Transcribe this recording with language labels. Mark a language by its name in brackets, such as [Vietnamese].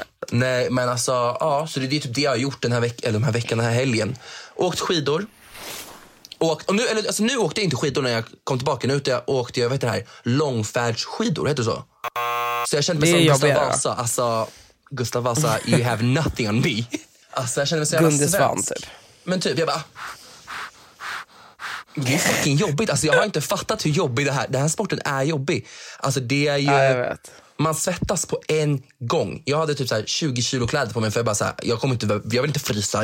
[Swedish] Nej, men alltså, ja, så det är typ det jag har gjort den här veckan, den här helgen. Åkt skidor. Och nu, eller, alltså, nu åkte jag inte skidor när jag kom tillbaka. Nu åkte jag, vet det här, långfärdsskidor, heter det så? Så jag kände mig som Gustav Vasa. Alltså, [English] Gustav Vasa, you have nothing on me. [Swedish] Alltså, jag kände mig så jävla svensk. Typ. Men typ, jag bara... Det är fucking jobbigt, alltså jag har inte fattat hur jobbig det här. Den här sporten är jobbig. Alltså det är ju, ja, jag vet. Man svettas på en gång. Jag hade typ så här 20 kilo kläder på mig. För jag bara så här, jag vill inte frysa.